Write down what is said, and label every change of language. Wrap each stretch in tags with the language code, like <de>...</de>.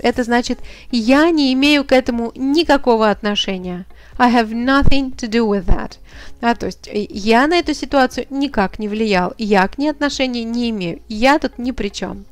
<ru>Это значит, я не имею к этому никакого отношения.</ru> <en>I have nothing to do with that.</en> <ru>Да, то есть я на эту ситуацию никак не влиял, я к ней отношения не имею, я тут ни при чем.</ru>